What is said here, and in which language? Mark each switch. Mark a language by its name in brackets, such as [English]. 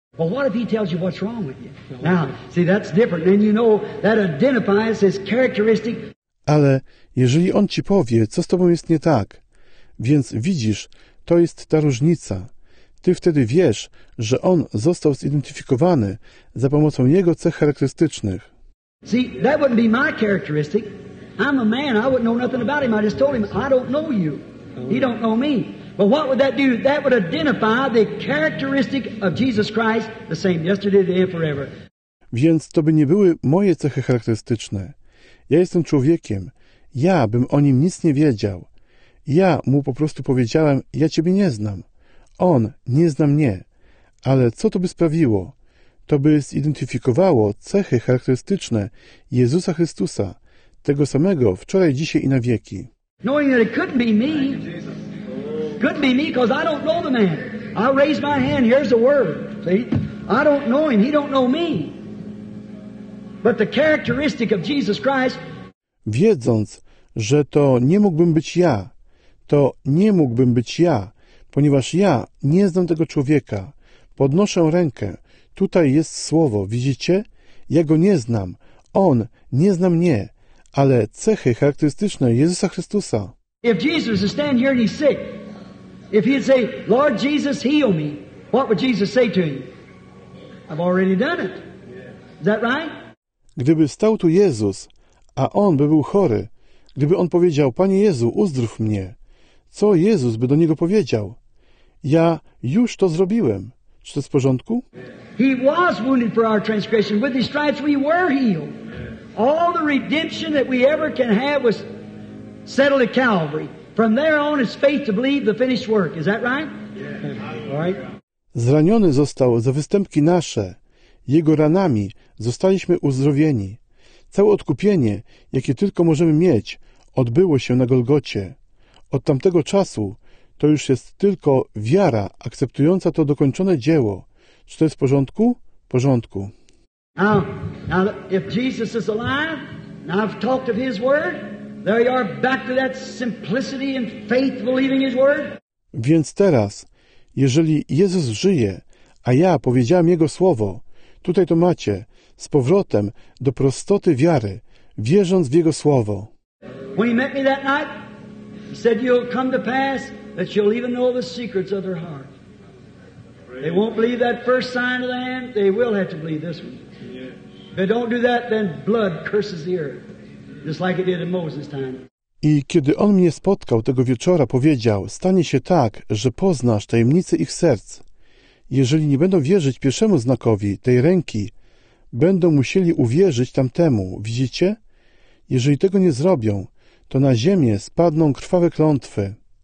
[English] Well, what if he tells you what's wrong with you? Now, see, that's different. And you know, that identifies his characteristic. [Polish] Ale jeżeli on ci powie, co z tobą jest nie tak, więc widzisz, to jest ta różnica. Ty wtedy wiesz, że on został zidentyfikowany za pomocą jego cech charakterystycznych. [English] See, that wouldn't be my characteristic. I'm a man, I wouldn't know nothing about him. I just told him, I don't know you. He don't know me. But what would that do? That would identify the characteristic of Jesus Christ the same yesterday, today and forever. [Polish] Więc to by nie były moje cechy charakterystyczne. Ja jestem człowiekiem. Ja bym o nim nic nie wiedział. Ja mu po prostu powiedziałem, ja ciebie nie znam. On nie zna mnie. Ale co to by sprawiło? To by zidentyfikowało cechy charakterystyczne Jezusa Chrystusa, tego samego wczoraj, dzisiaj i na wieki. [English] Knowing that it couldn't be me. Couldn't be me, because I don't know the man. I raise my hand, here's the word. See? I don't know him, he don't know me. But the characteristic of Jesus Christ. [Polish] Wiedząc, że to nie mógłbym być ja, to nie mógłbym być ja, ponieważ ja nie znam tego człowieka. Podnoszę rękę. Tutaj jest słowo, widzicie? Ja go nie znam. On nie zna mnie, ale cechy charakterystyczne Jezusa Chrystusa. [English] If Jesus is standing here and he's sick, if he'd say, Lord Jesus, heal me, what would Jesus say to him? I've already done it. Is that right? [Polish] Gdyby stał tu Jezus, a on by był chory, Gdyby on powiedział, Panie Jezu, uzdrów mnie, co Jezus by do niego powiedział? Ja już to zrobiłem. Czy to jest w porządku? [English] He was wounded for our transgression. With his stripes we were healed. All the redemption that we ever can have was settled at Calvary. From there on is faith to believe the finished work. Is that right? All right. [Polish] Zraniony został za występki nasze. Jego ranami zostaliśmy uzdrowieni. Całe odkupienie, jakie tylko możemy mieć, odbyło się na Golgocie. Od tamtego czasu to już jest tylko wiara akceptująca to dokończone dzieło. Czy to jest w porządku? W porządku. [English] Now, if Jesus is alive, and I've talked of his word, there you are back to that simplicity and faith believing his word. [Polish] Więc teraz, jeżeli Jezus żyje, a ja powiedziałem jego słowo, tutaj to macie, z powrotem do prostoty wiary, wierząc w jego słowo. [English] When he met me that night, he said, you'll come to pass that you'll even know the secrets of their heart. They won't believe that first sign of the hand, they will have to believe this one. If they don't do that, then blood curses the earth, just like it did in Moses' time. [Polish] I kiedy on mnie spotkał tego wieczora, powiedział, stanie się tak, że poznasz tajemnice ich serc. Jeżeli nie będą wierzyć pierwszemu znakowi tej ręki, będą musieli uwierzyć tamtemu. Widzicie? Jeżeli tego nie zrobią, to na ziemię spadną krwawe klątwy.